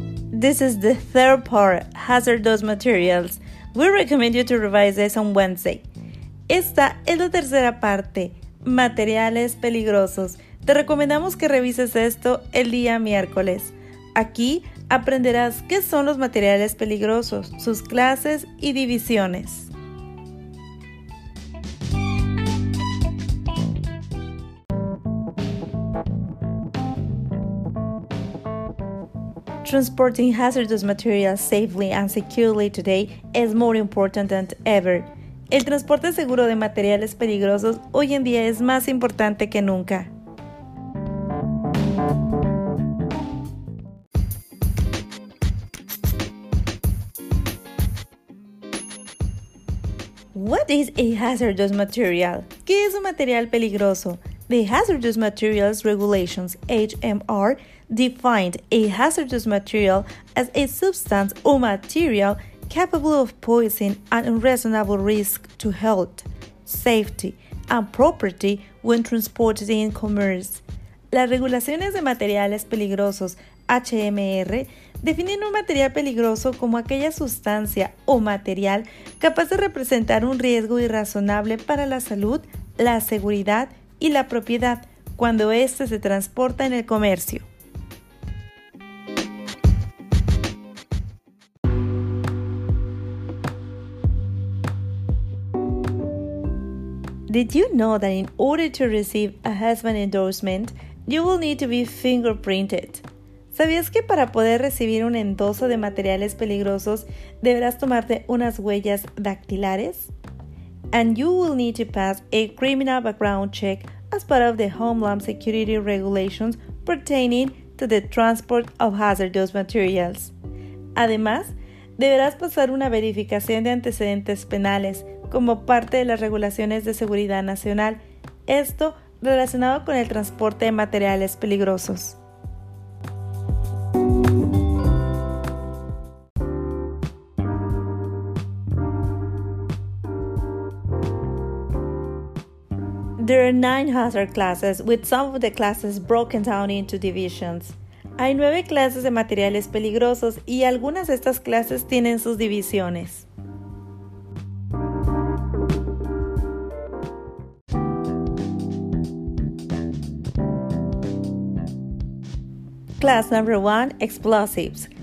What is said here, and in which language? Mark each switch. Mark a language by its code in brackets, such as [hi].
[en] This is the third part, hazardous materials. We recommend you to revise this on Wednesday. [es] Esta es la tercera parte, materiales peligrosos. Te recomendamos que revises esto el día miércoles. Aquí aprenderás qué son los materiales peligrosos, sus clases y divisiones. [en] Transporting hazardous materials safely and securely today is more important than ever. [es] El transporte seguro de materiales peligrosos hoy en día es más importante que nunca. [en] What is a hazardous material? [es] ¿Qué es un material peligroso? [en] The Hazardous Materials Regulations, HMR, defined a hazardous material as a substance or material capable of posing an unreasonable risk to health, safety, and property when transported in commerce. [es] Las regulaciones de materiales peligrosos, HMR, definen un material peligroso como aquella sustancia o material capaz de representar un riesgo irrazonable para la salud, la seguridad y la propiedad cuando éste se transporta en el comercio. [en] Did you know that in order to receive a husband endorsement, you will need to be fingerprinted? [es] ¿Sabías que para poder recibir un endoso de materiales peligrosos deberás tomarte unas huellas dactilares? [en] And you will need to pass a criminal background check as part of the Homeland Security Regulations pertaining to the transport of hazardous materials. [es] Además, deberás pasar una verificación de antecedentes penales como parte de las regulaciones de seguridad nacional, esto relacionado con el transporte de materiales peligrosos. [en] There are 9 hazard classes, with some of the classes broken down into divisions. [es] Hay 9 clases de materiales peligrosos y algunas de estas clases tienen sus divisiones. [en] Class number 1, explosives.